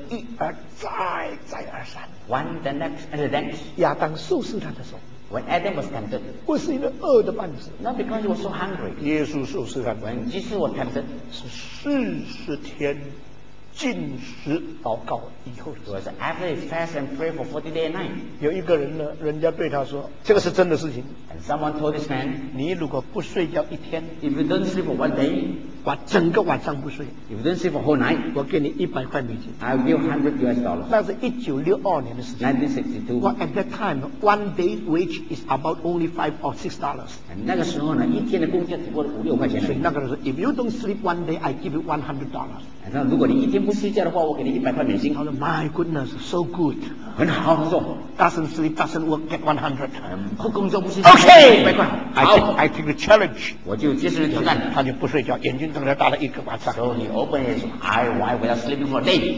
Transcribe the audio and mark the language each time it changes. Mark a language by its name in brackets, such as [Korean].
[Chinese] 一而再，再而三。 [English] One the next and the next. [Chinese] 亚当受试探的时候。 [English] When Adam was tempted, [Chinese] 不是因为饿的半死。 [English] Not because he was so hungry. [Chinese] 耶稣受试探。 [English] When Jesus was tempted, [Chinese] 是四十天禁食祷告以后的。 [English] It was after he fast and pray for 40 day and night. [Chinese] 有一个人呢，人家对他说，这个是真的事情。 [English] And someone told this man, [Chinese] 你如果不睡觉一天， [English] if you don't sleep for one day, [Chinese] 我整个晚上不睡， [English] if you don't sleep for whole night, [Chinese] 我给你$100。 [English] I give $100. [Chinese] 那是1962年的事情。 [English] 1962. Well, at that time, one day's wage is about only $5 or $6. [Chinese] 那个时候呢，一天的工资只不过5-6块钱。所以那个人说， [English] if you don't sleep one day, I give you $100. [Chinese] 那如果你一天不睡觉的话，我给你100块美金。 [English] 他说 ，My goodness, so good。 [Chinese] 很好，他说 [English] ，Doesn't sleep, doesn't work, get 100。 [Chinese] 不工作不睡觉 [English] ，OK， [Chinese] 100块。 [English] I take the challenge。 [Chinese] 我就接受挑战。他就不睡觉，眼睛睁着大了一个晚上。 [English] So he opened his eye wide without sleeping for a day。